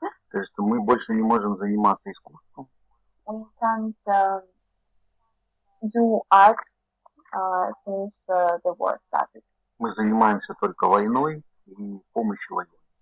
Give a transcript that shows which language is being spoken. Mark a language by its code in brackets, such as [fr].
[ru] То есть мы больше не можем заниматься искусством. [en] We can't do art since the war started. [ru] Мы занимаемся только войной и помощью войне.